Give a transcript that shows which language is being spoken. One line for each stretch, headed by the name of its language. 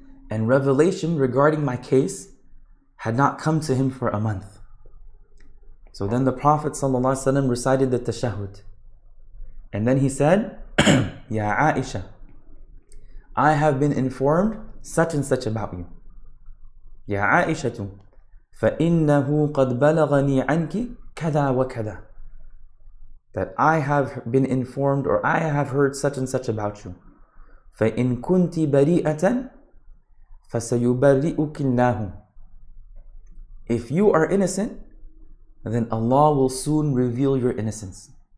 English: And revelation regarding my case had not come to him for a month. So then the Prophet ﷺ recited the tashahud. And then he said, Ya Aisha, I have been informed such and such about you.
Arabic: Ya Aisha, فَإِنَّهُ قَدْ بَلَغَنِي عَنْكِ كَذَا وَكَذَا.
English: That I have been informed, or I have heard such and such about you.
Arabic: فَإِن كُنْتِ بَرِيئَةً فَسَيُبَرِّئُكِ اللَّهُ.
English: If you are innocent, then Allah will soon reveal your innocence.